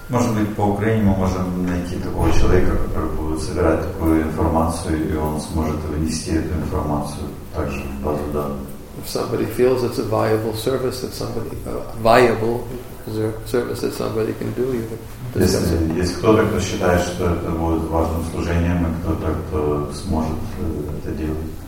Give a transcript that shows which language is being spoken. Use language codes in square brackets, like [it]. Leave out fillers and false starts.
[ru] Может быть, по Украине мы можем найти такого человека, который будет собирать такую информацию, и он сможет внести эту информацию также в базу данных. [en] If somebody feels it's a viable service that somebody viable service that somebody can do, you can. [ru] Если кто-то, кто считает, что это будет важным служением, и кто-то, кто сможет это делать.